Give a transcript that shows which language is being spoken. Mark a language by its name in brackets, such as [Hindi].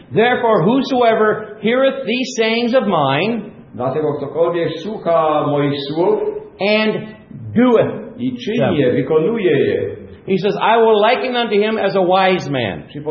[English] therefore whosoever heareth these sayings of mine, [Polish] dlatego ktokolwiek słucha moich słów, [English] and doeth, [Polish] i czyni je, wykonuje je, [English] he says, I will liken unto him as a wise man.